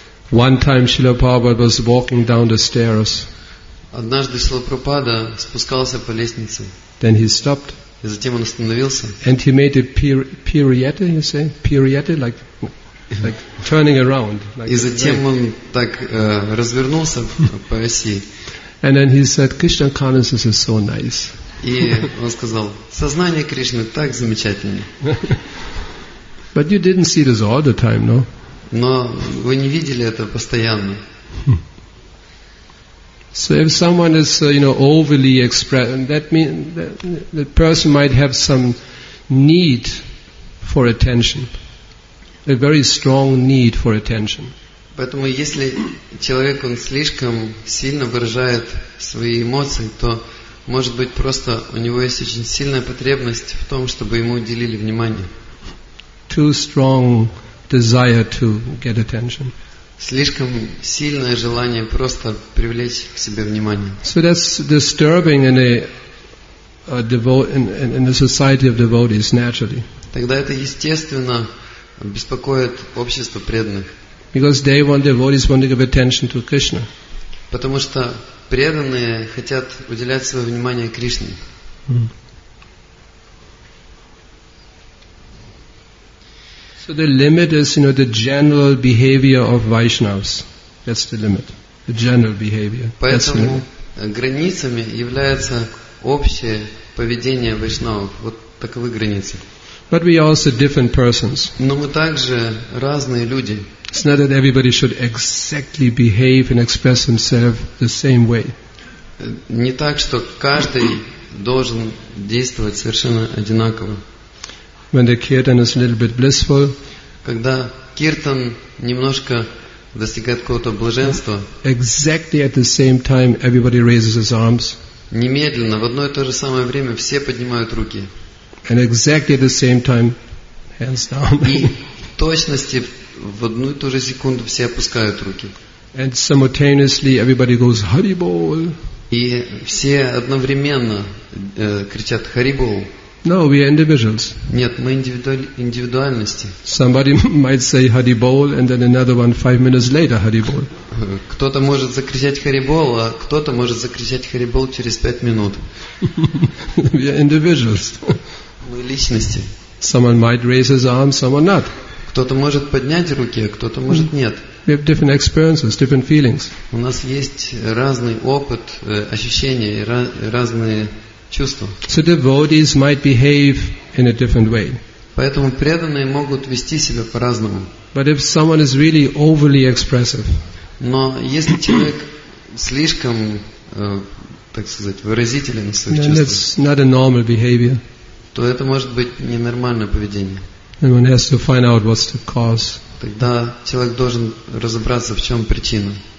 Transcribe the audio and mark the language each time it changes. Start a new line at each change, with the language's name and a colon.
English: One time Srila Prabhupada was walking down the stairs.
Russian: Однажды Шрила Прабхупада спускался по лестнице.
English: Then he stopped.
Russian: И затем он остановился.
English: And he made a pirouette, you say? Pirouette, like turning around.
Russian: И затем он так развернулся по оси.
English: And then he said, Krishna consciousness is so nice.
Russian: И он сказал, сознание Кришны так замечательное.
English: But you didn't see this all the time, no?
Russian: Но вы не видели это постоянно.
English: So if someone is, you know, overly expressed, that means that person might have some need for attention, a very strong need for attention.
Russian: Поэтому если человек, он слишком сильно выражает свои эмоции, то может быть, просто у него есть очень сильная потребность в том, чтобы ему уделили внимание.
English: Too strong desire to get attention.
Russian: Слишком сильное желание просто привлечь к себе внимание.
English: So that's disturbing in a society of devotees naturally.
Russian: Тогда это естественно беспокоит общество преданных.
English: Because day one devotees want to give attention to Krishna.
Russian: Потому что преданные хотят уделять свое внимание Кришне.
English: So the limit is, you know, the general behavior of Vaishnavas. That's the limit. The general behavior.
Russian: Поэтому границами является общее поведение вайшнавов. Вот таковы границы.
English: But we are also different persons.
Russian: Но мы также разные люди.
English: It's not that everybody should exactly behave and express himself the same way.
Russian: Не так, что каждый должен действовать совершенно одинаково.
English: When the kirtan is a little bit blissful,
Russian: когда киртан немножко достигает какого-то блаженства,
English: exactly at the same time everybody raises his arms,
Russian: немедленно в одно и то же самое время все поднимают руки,
English: and exactly at the same time hands down,
Russian: и в точности в одну и ту же секунду все опускают руки,
English: and simultaneously everybody goes Hari Bol,
Russian: и все одновременно кричат Hari Bol.
English: No, we are individuals.
Russian: Нет, мы индивидуальности.
English: Somebody might say Hari Bol, and then another one 5 minutes later Hari Bol.
Russian: Кто-то может закричать Hari Bol, а кто-то может закричать Hari Bol через 5 минут.
English: We are individuals.
Russian: Мы личности.
English: Someone might raise his arm, someone not.
Russian: Кто-то может поднять руки, а кто-то может нет.
English: We have different experiences, different feelings.
Russian: У нас есть разный опыт, ощущения, разные.
English: So devotees might behave in a different way.
Russian: Поэтому преданные могут вести себя по-разному.
English: But if someone is really overly expressive,
Russian: но если человек слишком, так сказать, выразителен в своих чувствах,
English: that's not a normal behavior.
Russian: То это может быть ненормальное поведение.
English: And one has to find out what's the cause.
Russian: Тогда человек должен разобраться, в чем причина.